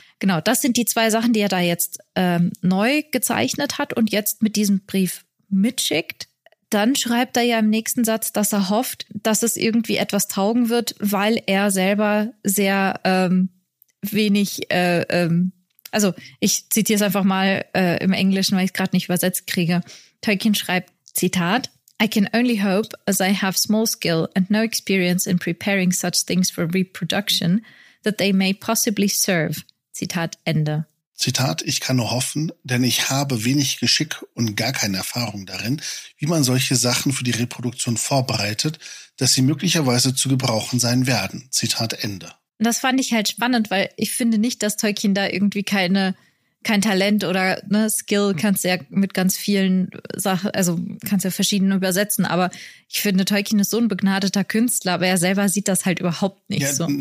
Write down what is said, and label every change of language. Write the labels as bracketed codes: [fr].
[de] Genau, das sind die zwei Sachen, die er da jetzt neu gezeichnet hat und jetzt mit diesem Brief mitschickt. Dann schreibt er ja im nächsten Satz, dass er hofft, dass es irgendwie etwas taugen wird, weil er selber sehr wenig, also ich zitiere es einfach mal im Englischen, weil ich es gerade nicht übersetzt kriege. Tolkien schreibt, Zitat, [en] I can only hope, as I have small skill and no experience in preparing such things for reproduction, that they may possibly serve. [de] Zitat Ende. Zitat, ich kann nur hoffen, denn ich habe wenig Geschick und gar keine Erfahrung darin, wie man solche Sachen für die Reproduktion vorbereitet, dass sie möglicherweise zu gebrauchen sein werden. Zitat Ende. Das fand ich halt spannend, weil ich finde nicht, dass Tolkien da irgendwie kein Talent oder ne, Skill, kannst du ja mit ganz vielen Sachen, also kannst du ja verschieden übersetzen, aber ich finde, Tolkien ist so ein begnadeter Künstler, aber er selber sieht das halt überhaupt nicht so.